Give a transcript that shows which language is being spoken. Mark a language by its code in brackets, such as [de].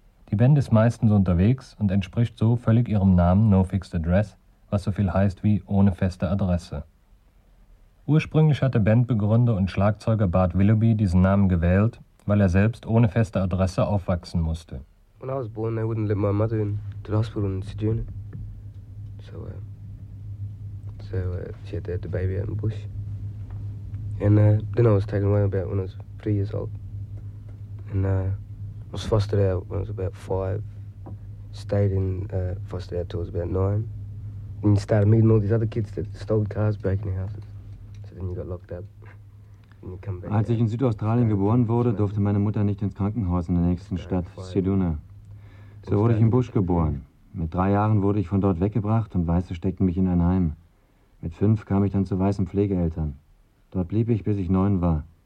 [de] Die Band ist meistens unterwegs und entspricht so völlig ihrem Namen No Fixed Address, was so viel heißt wie ohne feste Adresse. Ursprünglich hatte Bandbegründer und Schlagzeuger Bart Willoughby diesen Namen gewählt, weil er selbst ohne feste Adresse aufwachsen musste. [en] When I was born, they wouldn't let my mother in to the hospital in Sydney. So she had the baby out in the bush. And then I was taken away about when I was 3 years old. And I was fostered out when I was about 5. Stayed fostered out till I was about 9. And you started meeting all these other kids that stole cars, breaking houses. So then you got locked up. [de] Als ich in Südaustralien geboren wurde, durfte meine Mutter nicht ins Krankenhaus in der nächsten Stadt, Ceduna. So wurde ich im Busch geboren. Mit 3 Jahren wurde ich von dort weggebracht und Weiße steckten mich in ein Heim. Mit 5 kam ich dann zu weißen Pflegeeltern. Dort blieb ich, bis ich 9 war.